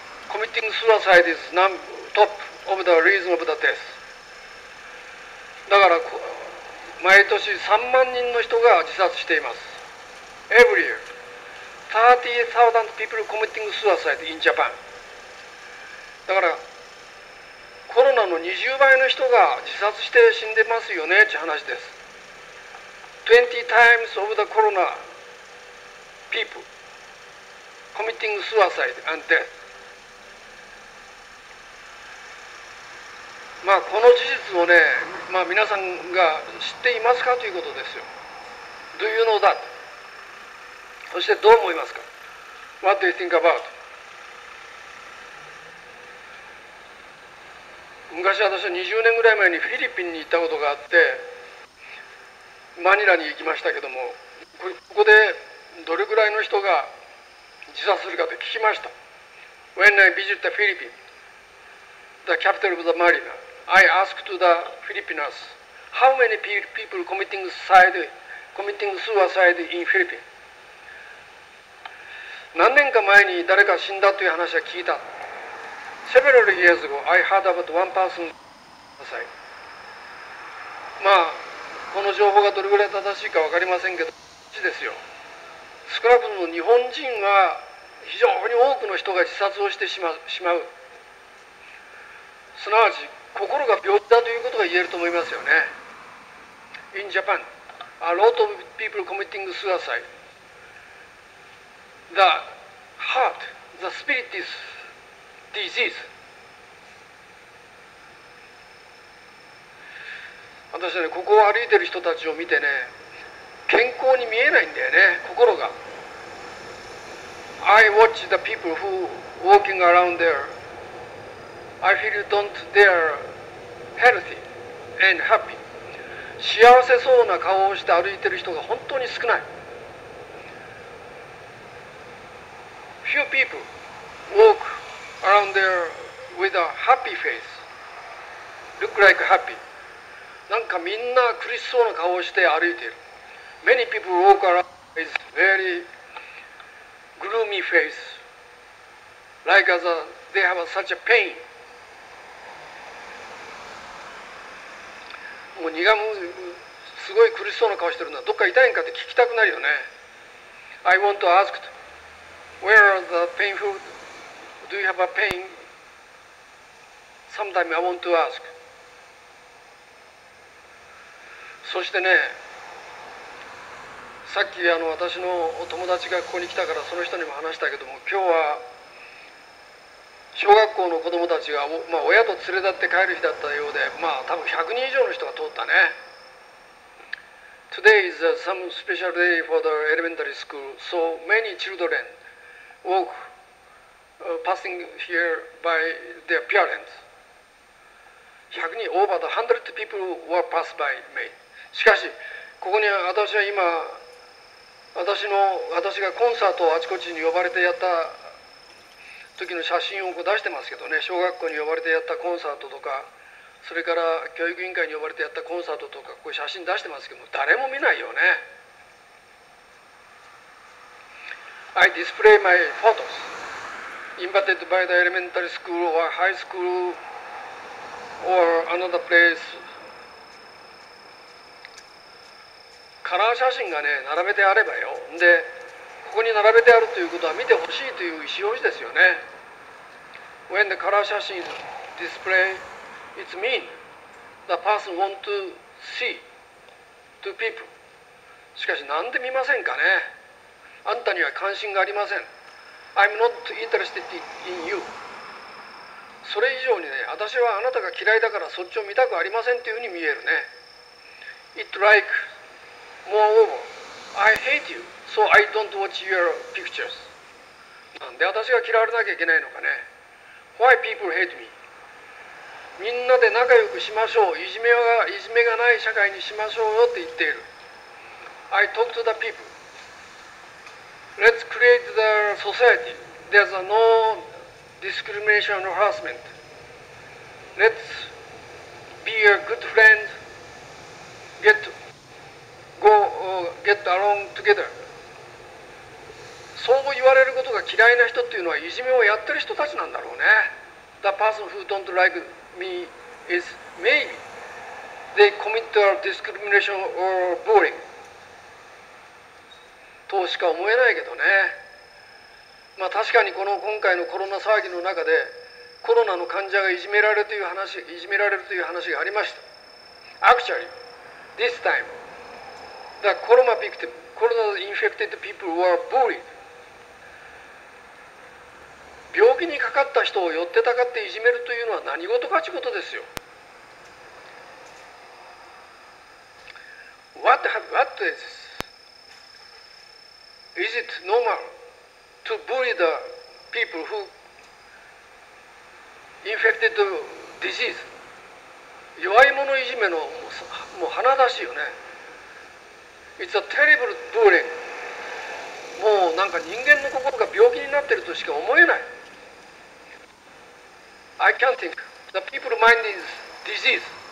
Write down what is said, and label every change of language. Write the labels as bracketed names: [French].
[English] Committing suicide is top of the reason of the death. [Japanese] だから毎年3万人の人が自殺しています。 [English] Every year, 30,000 people committing suicide in Japan. [Japanese] だからコロナの20倍の人が自殺して死んでますよねって話です。 [English] 20 times of the corona people committing suicide and death。 [Japanese] まあこの事実をね、まあ皆さんが知っていますかということですよ。 [English] Do you know that? [Japanese] そしてどう思いますか？ [English] What do you think about? [Japanese] 昔私は20年ぐらい前にフィリピンに行ったことがあって、マニラに行きましたけども、ここでどれくらいの人が自殺するかと聞きました。 [English] When I visited the Philippines, the capital of the Manila, I asked to the Filipinos, how many people committing suicide in Philippines? [Japanese] 何年か前に誰か死んだという話は聞いた。 [English] Several years ago, I heard about one person suicide. [Japanese] まあこの情報がどれぐらい正しいか分かりませんけど、ですよ。少なくとも日本人は非常に多くの人が自殺をしてしまう。すなわち心が病気だということが言えると思いますよね。 [English] In Japan, a lot of people committing suicide. The heart, the spirit is disease. [Japanese] 私はね、ここを歩いてる人たちを見てね、健康に見えないんだよね、心が。 [English] I watch the people who walking around there. I feel don't they are healthy and happy. [Japanese] 幸せそうな顔をして歩いてる人が本当に少ない。 [English] Few people walk around there with a happy face. Look like happy. [Japanese] なんかみんな苦しそうな顔をして歩いている。 [English] Many people walk around with very gloomy face like as a, they have a, such a pain. [Japanese] もう苦むすごい苦しそうな顔してるな。どっか痛いんかって聞きたくなるよね。 [English] I want to ask where are the painful do you have a pain? Sometime I want to ask [Japanese] そしてね、さっきあの私のお友達がここに来たからその人にも話したけども、今日は小学校の子供たちが、まあ、親と連れ立って帰る日だったようで、まあ多分100人以上の人が通ったね。 [English] Today is some special day for the elementary school, so many children walk passing here by their parents. 100人 over the 100 people were passed by me. [Japanese] しかしここに私は今私がコンサートをあちこちに呼ばれてやった時の写真を出してますけどね、小学校に呼ばれてやったコンサートとか、それから教育委員会に呼ばれてやったコンサートとか、こういう写真出してますけども誰も見ないよね。 [English] I display my photos invited by the elementary school or high school or another place [Japanese] カラー写真がね、並べてあればよ。で、ここに並べてあるということは見てほしいという意思表示ですよね。 [English] When the color 写真 is displayed, it means the person wants to see to people. [Japanese] しかし、なんで見ませんかね。あんたには関心がありません。 [English] I'm not interested in you. [Japanese] それ以上にね、私はあなたが嫌いだからそっちを見たくありませんというふうに見えるね。 [English] It likeMoreover, I hate you, so I don't watch your pictures. [Japanese] なんで私が嫌われなきゃいけないのかね。 [English] Why people hate me? [Japanese] みんなで仲良くしましょう。いじめがない社会にしましょうよって言っている。 [English] I talk to the people. Let's create the society. There's no discrimination or harassment. Let's be a good friend. Get along together. [Japanese] そう言われることが嫌いな人っていうのはいじめをやってる人たちなんだろうね。 [English] The person who don't like me is maybe they commit a discrimination or bullying. [Japanese] としか思えないけどね。まあ確かにこの今回のコロナ騒ぎの中でコロナの患者がいじめられるという話がありました。 [English] Actually, this timeThe corona victim, corona infected people were bullied. [Japanese] 病気にかかった人を寄ってたかっていじめるというのは何事かちことですよ。 [English] What is this? Is it normal to bully the people who infected the disease? [Japanese] 弱い者いじめのもう鼻出しよね。 [English] It's a terrible bullying. [Japanese] もうなんか人間の心が病気になってるとしか思えない。 [English] I can't think. The people's mind is disease.